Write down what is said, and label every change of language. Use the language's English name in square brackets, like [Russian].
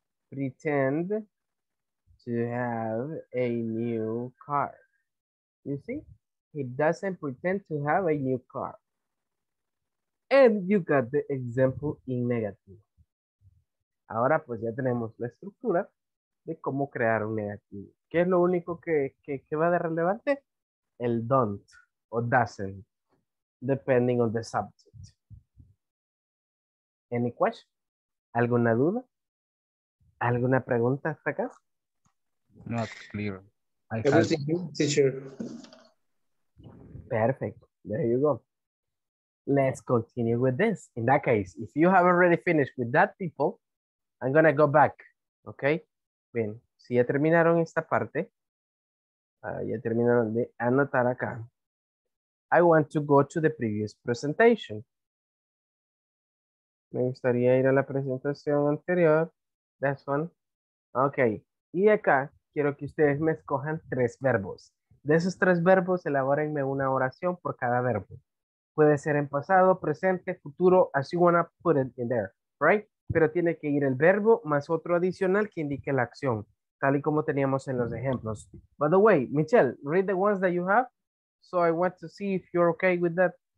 [English] Pretend to have a new car. You see? He doesn't pretend to have a new car. And you got the example in negative. [Spanish] Ahora pues ya tenemos la estructura de cómo crear un negativo. ¿Qué es lo único que va de relevante? El [English] don't o doesn't, depending on the subject. Any question? [Spanish] ¿Alguna duda? ¿Alguna pregunta hasta acá? [English] Not clear. Teacher. Perfect. There you go. Let's continue with this. In that case, if you have already finished with that people, I'm going to go back. Okay? [Spanish] Bien, si ya terminaron esta parte, ya terminaron de anotar acá. [English] I want to go to the previous presentation. [Spanish] Me gustaría ir a la presentación anterior. [English] That's one. [Spanish] Okay. Y acá quiero que ustedes me escojan tres verbos. De esos tres verbos, elabórenme una oración por cada verbo. Puede ser en pasado, presente, futuro, [English] as you want to put it in there, right? [Spanish] Pero tiene que ir el verbo más otro adicional que indique la acción, tal y como teníamos en los ejemplos. [English] By the way, Michelle, read the ones that you have. So I want to see if you're okay with that.